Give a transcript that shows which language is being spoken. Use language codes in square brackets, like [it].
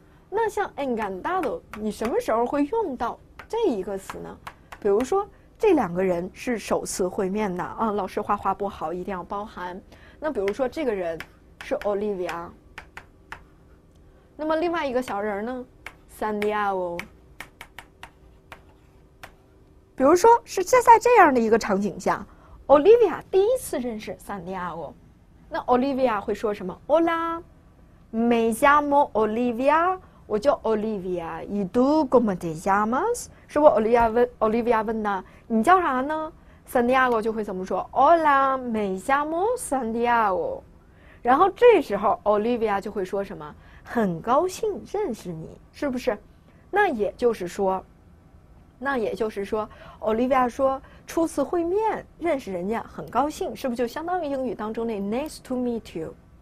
[zh] 那像 encantado， 你什么时候会用到这一个词呢？比如说这两个人是首次会面的啊、嗯，老师画画不好，一定要包含。那比如说这个人是 Olivia。那么另外一个小人呢 ，Santiago。比如说是在这样的一个场景下 ，Olivia 第一次认识 Santiago， 那 Olivia 会说什么 ？ [es] Hola， me llamo Olivia， [zh] 我叫 Olivia， [es] ¿y tú cómo te llamas？ [zh] 是不 ？Olivia 问的，你叫啥呢 ？Santiago 就会怎么说 ？ [es] Hola， me llamo Santiago。 [zh] 然后这时候 Olivia 就会说什么？很高兴认识你，是不是？那也就是说 ，Olivia 说初次会面认识人家很高兴，是不是就相当于英语当中那 [en] nice to meet you？